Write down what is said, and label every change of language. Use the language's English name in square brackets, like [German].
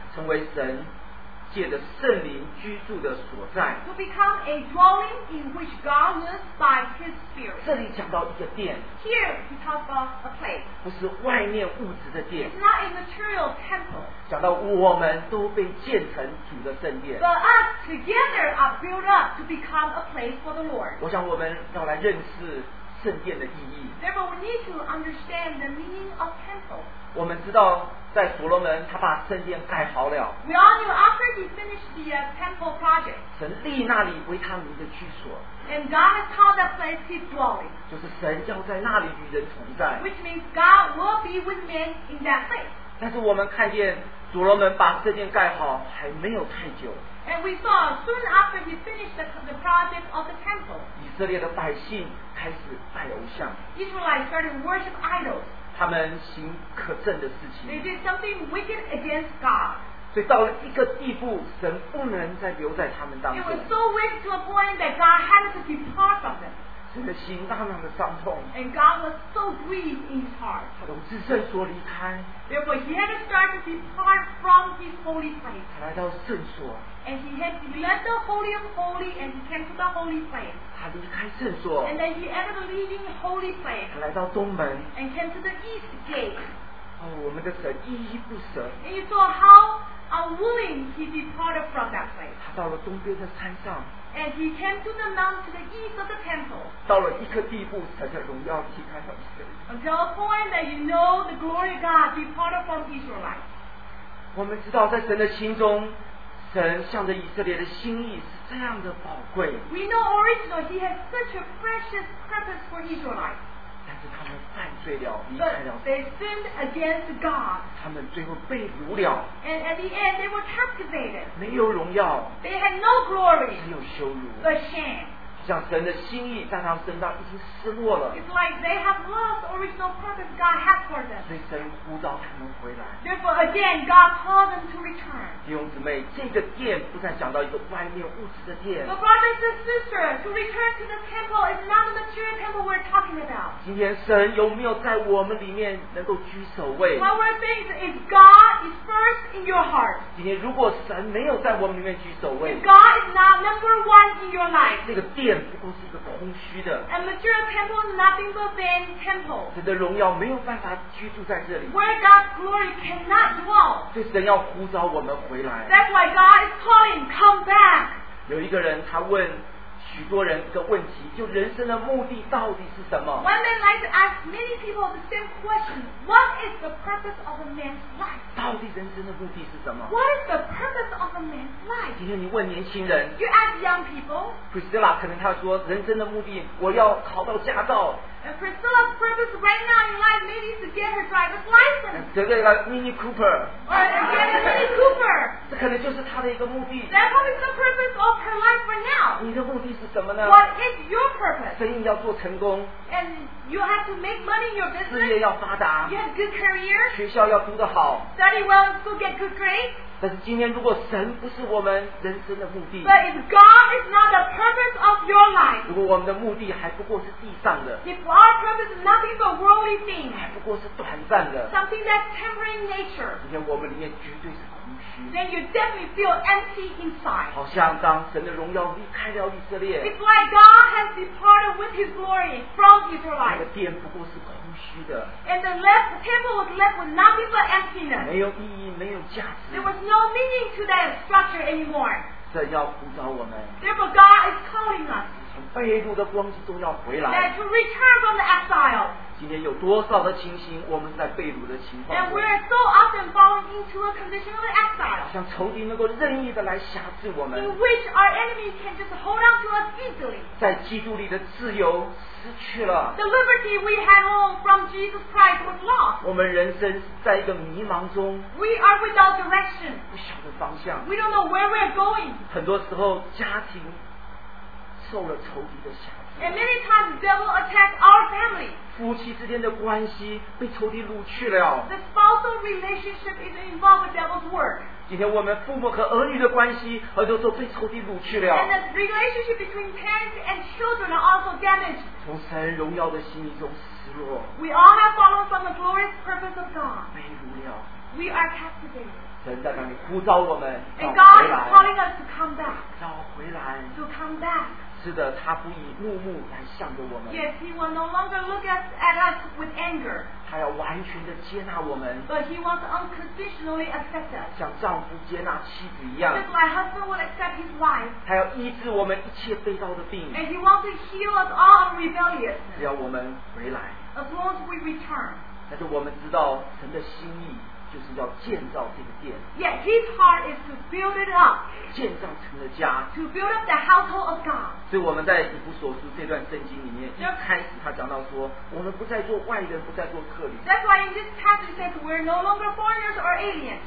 [Chinese] 成为神借着圣灵居住的所在 [English] to become a dwelling in which God lives by his spirit [Chinese] 这里讲到一个殿 [English] here he talks about a place [Chinese] 不是外面物质的殿 [English] it's not a material temple [Chinese] 讲到我们都被建成主的圣殿 [English] but us together are built up to become a place for the Lord [Chinese] 我想我们要来认识圣殿的意义 [English] therefore we need to understand the meaning of temple [Chinese] 我们知道在所罗门他把圣殿盖好了 [English] We all knew after he finished the temple project [Chinese] 神立那里为他们的居所 [English] And God has called that place his dwelling [Chinese] 就是神要在那里与人同在 [English] Which means God will be with men in that place [Chinese] 但是我们看见所罗门把圣殿盖好还没有太久 [English] And we saw soon after he finished the project of the temple [Chinese] 以色列的百姓开始拜偶像。 [English] Israelites started worship idols. [Chinese] 他们行可憎的事情。 [English] They did something wicked against God. [Chinese] 所以到了一个地步，神不能再留在他们当中。 [English] It was so wicked to a point that God had to depart from them. [Chinese] 神的心那么的伤痛。 [English] And God was so grieved in his heart. [Chinese] 他从至圣所离开。 [English] Therefore, he had to start to depart from his holy place. [Chinese] 他来到圣所。 [English] And he had left the holy of holy and he came to the holy place. [Chinese] 他离开圣所。 [English] And then he ended up leaving the holy place. [Chinese] 他来到东门。 [English] And came to the east gate. [Chinese] 哦，我们的神依依不舍。 [English] And you saw how unwilling he departed from that place. [Chinese] 他到了东边的山上。 [English] And he came to the mount to the east of the temple. [Chinese] 到了一个地步，神的荣耀离开了以色列。 [English] Until a point that you know the glory of God departed from Israelites. [Chinese] 我们知道在神的心中。神向着以色列的心意是这样的宝贵。 [English] We know originally he has such a precious purpose for Israelites. [Chinese] 但是他们犯罪了，离开了。 [English] But they sinned against God. [Chinese] 他们最后被掳了。 [English] And at the end they were captivated. [Chinese] 没有荣耀。 [English] They had no glory. [Chinese] 只有羞辱。 [English] But shame. [Chinese] 像神的心意在他们身上已经失落了。 [English] It's like they have lost the original purpose God had for them. [Chinese] 所以神呼召他们回来。 [English] Therefore, again, God called them to return. [Chinese] 弟兄姊妹，这个殿不再讲到一个外面物质的殿。 [English] But brothers and sisters, to return to the temple is not the material temple we're talking about. [Chinese] 今天神有没有在我们里面能够居首位 [English] ？What we're saying is God is first in your heart. [Chinese] 今天如果神没有在我们里面居首位 [English] ，If God is not number one in your life, [Chinese] 这个殿。不过是一个空虚的。 [English] A material temple is nothing but vain temple. [Chinese] 神的荣耀没有办法居住在这里。 [English] Where God's glory cannot dwell. [Chinese] 所以神要呼召我们回来。 [English] That's why God is calling, come back. [Chinese] 有一个人他问许多人一个问题，就人生的目的到底是什么 [English] ？One man likes to ask many people the same question. What is the purpose of a man's life? [Chinese] 到底人生的目的是什么 [English] ？What is the purpose of a man's life? [Chinese] 今天你问年轻人 [English] ，You ask young people. [Chinese] Priscilla 可能他说人生的目的，我要考到驾照。 [English] And Priscilla's purpose right now in life maybe is to get her driver's license. And get a Mini Cooper. Or get a Mini Cooper. [Chinese] 这可能就是他的一个目的。 [English] That probably is the purpose of her life for now. [Chinese] 你的目的是什么呢 [English] ？What is your purpose? [Chinese] 生意要做成功。 [English] And you have to make money in your business. [Chinese] 事业要发达。 [English] You have good career. [Chinese] 学校要读得好。 [English] Study well and still get good grades. [Chinese] 但是今天如果神不是我们人生的目的 [English] But if God is not the purpose of your life [Chinese] 如果我们的目的还不过是地上的 [English] If our purpose is nothing but worldly things [Chinese] 还不过是短暂的 [English] Something that's temporary in nature [Chinese] 今天我们里面绝对是空虚 [English] Then you definitely feel empty inside [Chinese] 好像当神的荣耀离开了以色列 [English] It's like God has departed with his glory from Israelites [Chinese] 那个殿不过是空虚 [English] And the left temple was left with nothing but emptiness. [Chinese] 没有意义，没有价值。 [English] There was no meaning to that structure anymore. [Chinese] 神要呼召我们。 [English] Therefore, God is calling us. [Chinese] 从被掳的光中要回来。 [English] That to return from the exile. [Chinese] 今天有多少的情形，我们在被掳的情况 [English] ？And we are so often falling into a condition of exile. [Chinese] 好像仇敌能够任意的来辖制我们。 [English] In which our enemy can just hold on to us easily. [Chinese] 在基督里的自由。失去了 [English] The liberty we had all from Jesus Christ was lost. [Chinese] 我们人生在一个迷茫中 [English] We are without direction. [Chinese] 不晓得方向 [English] We don't know where we are going. [Chinese] 很多时候家庭受了仇敌的辖制 [English] And many times the devil attacked our family. [Chinese] 夫妻之间的关系被仇敌掳去了 [English] The spousal relationship is involved with the devil's work. [Chinese] 今天我们父母和儿女的关系，很多都被仇敌掳去了。 [English] And the relationship between parents and children are also damaged. [Chinese] 从神荣耀的心意中失落。 [English] We all have fallen from the glorious purpose of God. [Chinese] 被掳了。 [English] We are captivated. [Chinese] 神在那里呼召我们，让我回来。 [English] And God is calling us to come back. [Chinese] 让我回来。 [English] To come back. [Chinese] 是的，他不以怒目来向着我们。 [English] Yes, he will no longer look at us with anger. [Chinese] 他要完全的接纳我们 [English] ，But he wants unconditionally accept us， [Chinese] 像丈夫接纳妻子一样 [English] ，Just like husband will accept his wife， [Chinese] 他要医治我们一切被盗的病 [English] ，And he wants to heal us all of rebellious， [Chinese] 只要我们回来 [English] ，As long as we return， [Chinese] 但是我们知道神的心意就是要建造这个殿。 [English] Yet his heart is to build it up. [Chinese] 建造成了家。 [English] To build up the household of God. [Chinese] 所以我们在以弗所书这段圣经里面，一开始他讲到说，我们不再做外人，不再做客旅。 [English] That's why in this passage says we're no longer foreigners or aliens.